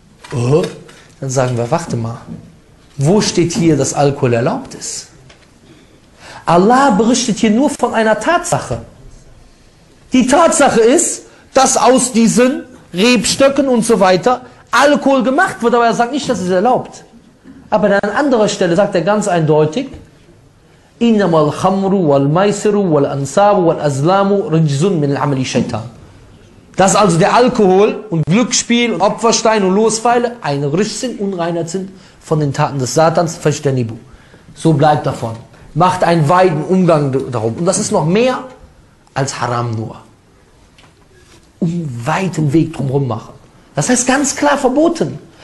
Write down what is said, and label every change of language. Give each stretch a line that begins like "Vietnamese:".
German: Dann sagen wir, warte mal, wo steht hier, dass Alkohol erlaubt ist? Allah berichtet hier nur von einer Tatsache. Die Tatsache ist, dass aus diesen Rebstöcken und so weiter Alkohol gemacht wird, aber er sagt nicht, dass es erlaubt. Aber an anderer Stelle sagt er ganz eindeutig,
Arabic: إِنَّمَا الْخَمْرُ وَالْمَيْسِرُ وَالْأَنْصَابُ وَالْأَزْلَامُ رِجْزٌ مِنْ الْعَمَلِ الشَّيْطَانِ.
German: Dass also der Alkohol und Glücksspiel und Opferstein und Losfeile ein Risch sind, Unreinheit sind von den Taten des Satans, فَجْتَنِبُوا. So bleibt davon. Macht einen weiten Umgang darum. Und das ist noch mehr als Haram nur. Um weiten Weg drumherum machen. Das heißt ganz klar verboten.